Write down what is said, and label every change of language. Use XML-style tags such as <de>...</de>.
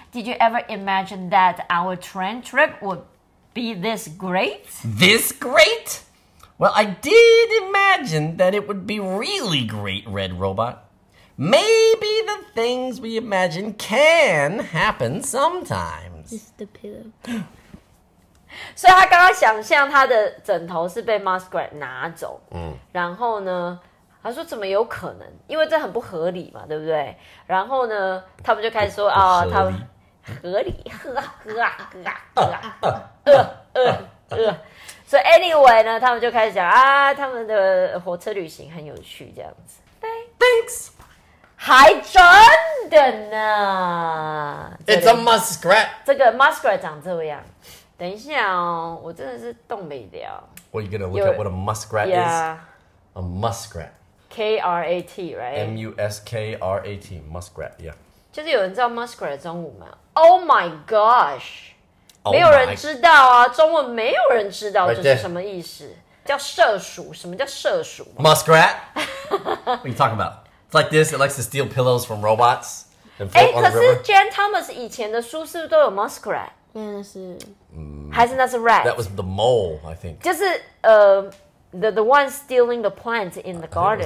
<en>Did you ever imagine that our train trip would be this great? This great? Well, I did imagine that it would be really great, Red Robot. Maybe the things we imagine can happen sometimes. This is the pillow.</en> <zh>所以他刚刚想象他的枕头是被 muskrat 拿走、然后呢他说怎么有可能因为这很不合理嘛对不对然后呢他们就开始说啊、哦、他们合理呵呵呵呵呵呵呵呵所以 anyway 呢他们就开始讲啊他们的火车旅行很有趣这样子</zh> <en>Thanks</en> <zh>还真的呢</zh> <en>It's a muskrat</en> <zh>这个 muskrat 长这样等一下哦，我真的是动没了。</zh> <en>What are you gonna look at what a muskrat is? A muskrat. K-R-A-T, right? M-U-S-K-R-A-T, muskrat, yeah.</en> <zh>就是有人知道 muskrat 中文吗 ？</zh> <en>Oh my gosh!</en> <zh>Oh 没有人知道啊，中文没有人知道这是什么意思。</zh> <en>Right、</en> <zh>叫麝鼠，什么叫麝鼠</zh> <en>？Muskrat? What are you talking about? It's like this, it likes to steal pillows from robots and float on the river.</en> <zh>可是 Jan Thomas 以前的书是不是都有 muskrat? 那是还是那是 rat?</zh> <en>That was the mole, I think. 就是the one stealing the plant in the garden.</en>